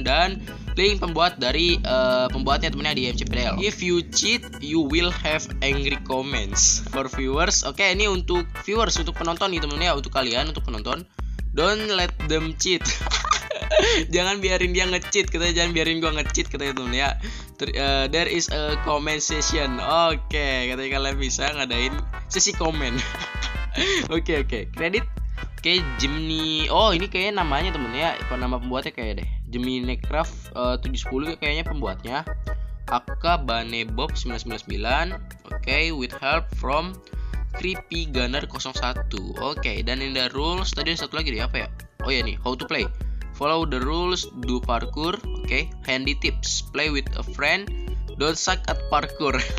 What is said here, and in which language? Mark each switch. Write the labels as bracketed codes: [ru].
[id] Dan link pembuat dari pembuatnya temennya di MCPDL. [en] If you cheat, you will have angry comments. For viewers, [id] oke, ini untuk viewers, untuk penonton nih temennya, untuk kalian, untuk penonton. [en] Don't let them cheat. [id] Jangan biarin dia nge-cheat, katanya. Jangan biarin gua nge-cheat, katanya temen ya. [en] There is a comment session. [id] Oke, katanya kalian bisa ngadain sesi komen. Oke, kredit. Oke, Gemini. Oh, ini kayaknya namanya temen ya. Apa nama pembuatnya kayaknya deh. Gemini Craft 710 kayaknya pembuatnya. Aka Banebob 999. [en] Oke, with help from Creepy Gunner 01. [id] Oke, dan [en] in the rules [id] tadi ada satu lagi deh, apa ya? Oh ya nih, [en] how to play. Follow the rules, do parkour. Oke, handy tips. Play with a friend, don't suck at parkour.